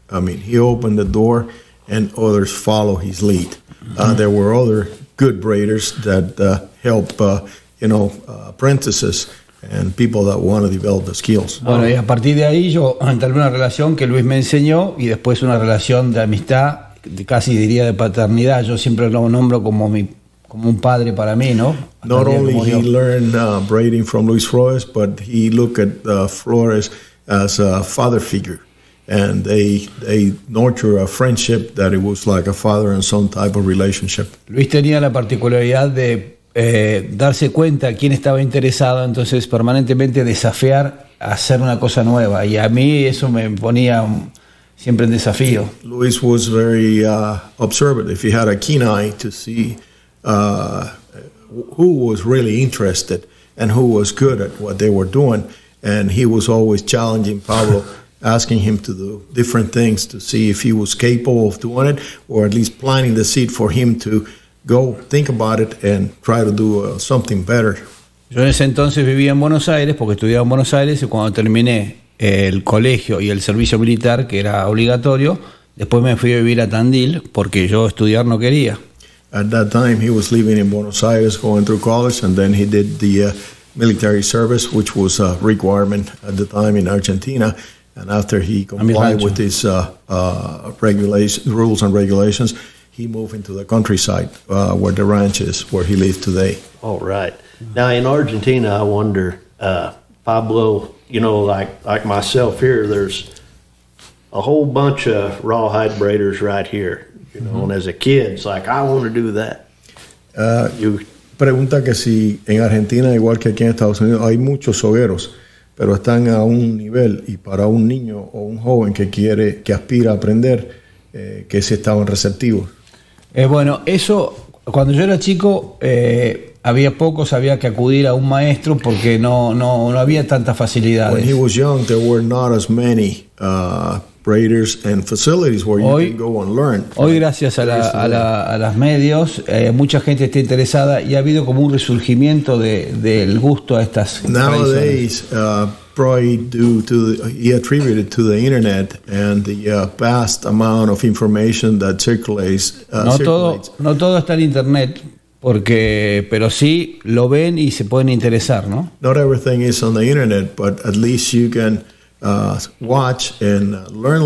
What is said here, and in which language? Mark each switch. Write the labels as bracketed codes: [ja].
[en] I mean, he opened the door and others followed his lead. Mm-hmm. There were other good braiders that helped, apprentices and people that want to develop the skills. [es] Bueno, y a partir de ahí yo entablé una relación que Luis me enseñó y después una relación de amistad, casi diría de paternidad. Yo siempre lo nombro como mi... Como un padre para mí, ¿no? [en] Not only he learned braiding from Luis Flores, but he looked at Flores as a father figure. And they nurture a friendship that it was like a father and son type of relationship. [es] Luis tenía la particularidad de darse cuenta quién estaba interesado, entonces permanentemente desafiar a hacer una cosa nueva. Y a mí eso me ponía siempre en desafío. [en] Luis was very observative. He had a keen eye to see... who was really interested and who was good at what they were doing, and he was always challenging Pablo, asking him to do different things to see if he was capable of doing it, or at least planting the seed for him to go think about it and try to do something better. [es] Yo en ese entonces vivía en Buenos Aires porque estudiaba en Buenos Aires, y cuando terminé el colegio y el servicio militar, que era obligatorio, después me fui a vivir a Tandil porque yo estudiar no quería. [en] At that time, he was living in Buenos Aires, going through college, and then he did the military service, which was a requirement at the time in Argentina. And after he complied with his rules and regulations, he moved into the countryside where the ranch is, where he lives today. All right. Now, in Argentina, I wonder, Pablo, you know, like myself here, there's a whole bunch of rawhide braiders right here. You know, and as a kid, it's like, I want to do that. [es] Pregunta que si en Argentina, igual que aquí en Estados Unidos, hay muchos hogueros, pero están a un nivel, y para un niño o un joven que quiere, que aspira a aprender, que se estaban receptivos. Bueno, eso, cuando yo era chico, había pocos, había que acudir a un maestro porque no había tantas facilidades. [en] When he was young, there were not as many braiders and facilities where [es] hoy, [en] you can go and learn. [es] Hoy, gracias a las medios, mucha gente está interesada y ha habido como un resurgimiento del gusto a estas. [en] Nowadays, probably due to he attributed to the internet and the vast amount of information that circulates. [es] No todo está en internet. Porque, pero sí, lo ven y se pueden interesar, ¿no? [en] Not everything is on the internet, but at least you can watch and learn a